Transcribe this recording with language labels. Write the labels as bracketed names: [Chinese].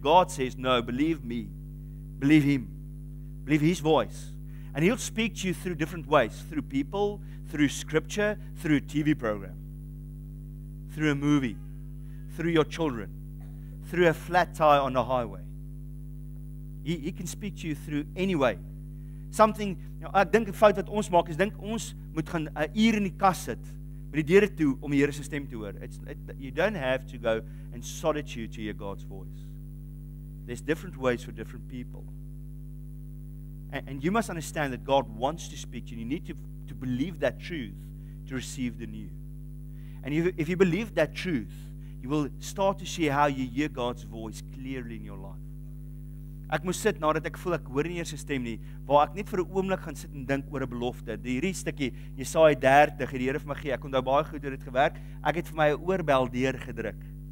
[English] God says, no, believe me. Believe Him. Believe His voice. And He'll speak to you through different ways, through people, through scripture, through a TV program, through a movie, through your children, through a flat tire on the highway. He can speak to you through any way. Something, you know, [Afrikaans] ek dink 'n fout wat ons maak is, dink ons moet gaan 'n uur in die kas sit met die deure toe om die Here se stem te hoor. [English] You don't have to go in solitude to hear God's voice. There's different ways for different people. And you must understand that God wants to speak to you. You need to believe that truth to receive the new. And if you believe that truth, you will start to see how you hear God's voice clearly in your life. [Afrikaans] Ek moes sit nadat ek voel ek hoor nie sy stem nie, waar ek net vir 'n oomblik gaan sit en dink oor 'n belofte. Hierdie stukkie, Jesaja 30, het die Here vir my gee. Ek onthou baie goed hoe dit gewerk. Ek het vir my 'n oorbel deurgedruk.